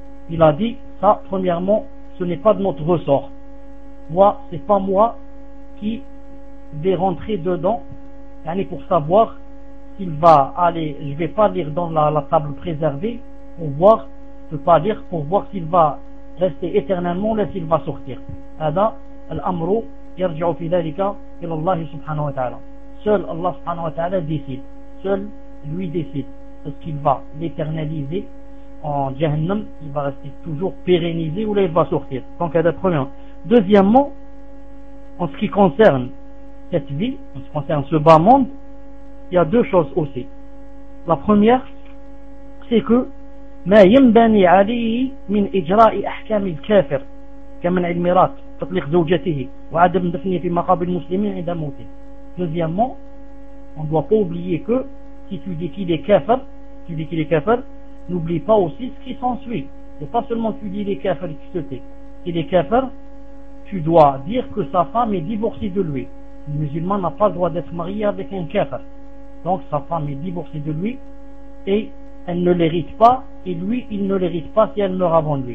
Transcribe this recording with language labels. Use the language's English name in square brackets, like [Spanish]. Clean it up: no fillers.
[French] Il a dit, ça, premièrement, ce n'est pas de notre ressort. Moi, ce n'est pas moi qui vais rentrer dedans. Yani pour savoir s'il va aller, je ne vais pas lire dans la table préservée pour voir, je peux pas lire pour voir s'il va rester éternellement ou s'il va sortir. [Arabic] هذا الأمر يرجع في ذلك إلى الله سبحانه وتعالى. [French] Seul [Arabic] الله سبحانه وتعالى [French] décide. Seul lui décide. Est-ce qu'il va l'éternaliser en جهنم, il va rester toujours pérennisé ou là il va sortir. Donc c'est le premier. Deuxièmement, en ce qui concerne cette vie, en ce qui concerne ce bas monde, il y a deux choses aussi. La première, c'est que [Arabic] ما ينبني عليه من إجراء أحكام الكافر كمنع الميراث تطليق زوجته وعدم دفنه في مقابر المسلمين عند موته. [French] Deuxièmement, on ne doit pas oublier que si tu dis qu'il est kafir, tu dis qu'il est kafir, n'oublie pas aussi ce qui s'ensuit. C'est pas seulement tu dis qu'il est kafir et tu te tais. qu'il est kafir, tu dois dire que sa femme est divorcée de lui. Le musulman n'a pas le droit d'être marié avec un kafir. Donc sa femme est divorcée de lui et elle ne l'hérite pas, et lui il ne l'hérite pas si elle meurt avant lui.